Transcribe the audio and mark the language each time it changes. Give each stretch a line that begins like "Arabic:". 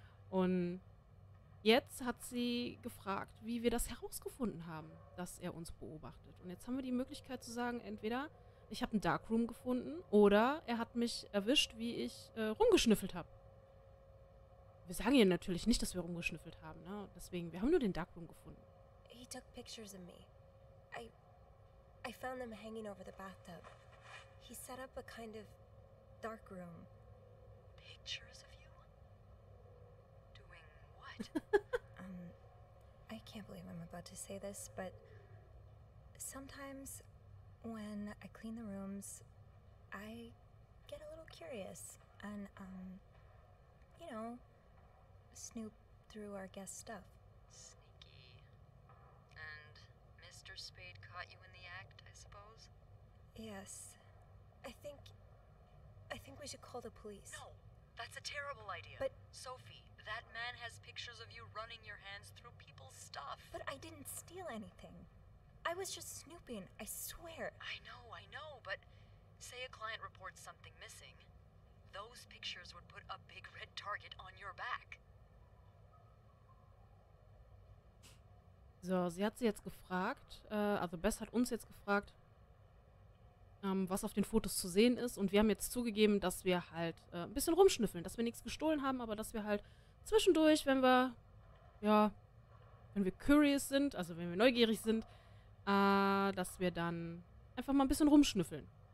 German: Und jetzt hat sie gefragt, wie wir das herausgefunden haben, dass er uns beobachtet. Und jetzt haben wir die Möglichkeit zu sagen, entweder ich habe einen Darkroom gefunden oder er hat mich erwischt, wie ich rumgeschnüffelt habe. Wir sagen ihr natürlich nicht, dass wir rumgeschnüffelt haben, ne? Deswegen, wir haben nur den Darkroom gefunden.
English: He took pictures of me. I found them hanging over the bathtub. He set up a kind of dark room. Pictures of you? Doing what? I can't believe I'm about to say this, but sometimes when I clean the rooms, I get a little curious and you know, snoop through our guest stuff. Sneaky. And Mr. Spade caught you in the act, I suppose? Yes. I think we should call the police. No, that's a terrible idea. But Sophie, that man has pictures of you running your hands through people's stuff. But I didn't steal anything. I was just snooping, I swear. I know, but say a client reports something missing. Those pictures would put a big red target on your back.
German: So, sie hat sie jetzt gefragt, also Beth hat uns jetzt gefragt, was auf den Fotos zu sehen ist. Und wir haben jetzt zugegeben, dass wir halt ein bisschen rumschnüffeln, dass wir nichts gestohlen haben, aber dass wir halt zwischendurch, wenn wir, ja, wenn wir curious sind, also wenn wir neugierig sind, dass wir dann einfach mal ein bisschen rumschnüffeln.